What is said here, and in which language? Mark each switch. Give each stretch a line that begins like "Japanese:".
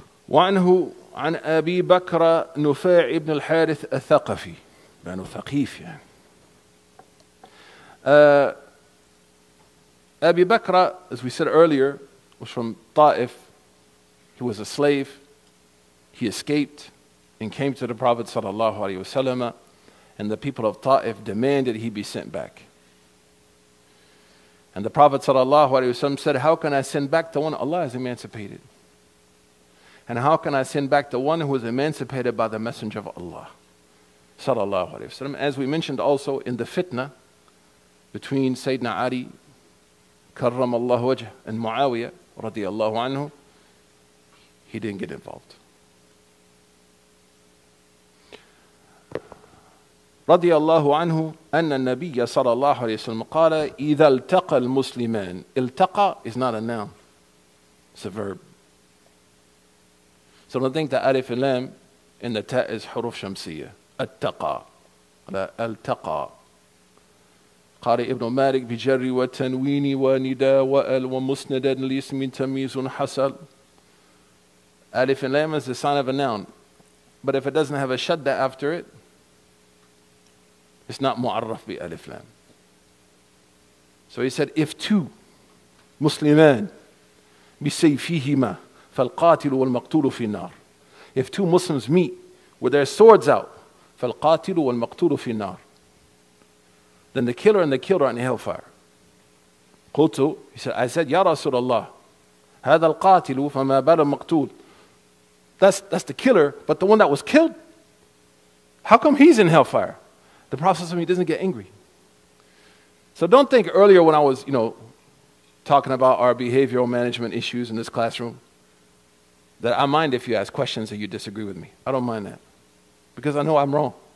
Arabic: وَعَنْهُ عن أبي بكر نفاع بن الحارث الثقفي بن ثقيف يعني.
English: أبي بكر, as we said earlier, was from Taif. He was a slave He escaped and came to the Prophet sallallahu alaihi wasallam, and the people of Ta'if demanded he be sent back. And the Prophet sallallahu alaihi wasallam said, "How can I send back the one Allah has emancipated? And how can I send back the one who is emancipated by the Messenger of Allah sallallahu alaihi wasallam?" As we mentioned also in the fitna between Sayyidina Ali karramallahu wajh and Muawiyah radiallahu anhu, he didn't get involved.
Arabic: رضي الله عنه أن النبي صلى الله عليه وسلم قال إذا التقى المسلمان.
English: التقى is not a noun, it's a verb. So don't think the alif and lam in the ta is حروف شمسية.
Arabic: التقى. التقى. قارئ ابن مالك بجر وتنوين ونداء وأل ومسندا لاسم تميز حصل.
English: Alif and lam is the sign of a noun, but if it doesn't have a shadda after it, it's not mu'arraf bi alif lam. So he said, if two Musliman
Arabic: بسيفيهما فالقاتل والمقتول في النار.
English: If two Muslims meet with their swords out,
Arabic: فالقاتل والمقتول في النار.
English: Then the killer and the killer are in hellfire.
Arabic: قلت,
English: he said, I said,
Arabic: يا رسول الله, هذا القاتل فما بال المقتول.
English: That's the killer, but the one that was killed, how come he's in hellfire? The Prophet, he doesn't get angry. So don't think earlier when I was, you know, talking about our behavioral management issues in this classroom, that I mind if you ask questions and you disagree with me. I don't mind that. Because I know I'm wrong.